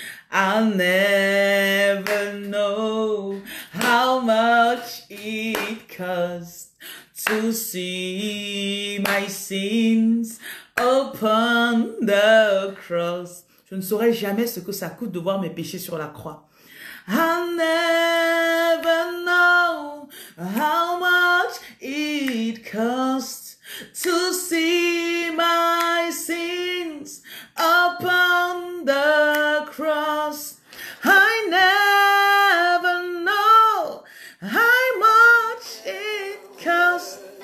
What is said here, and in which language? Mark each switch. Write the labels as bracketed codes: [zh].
[en] I'll never know how much it cost to see my sins upon the cross. [fr] Je ne saurai jamais ce que ça coûte de voir mes péchés sur la croix. [en] I'll never know how much it cost to see my sins upon the cross. I never know how much it cost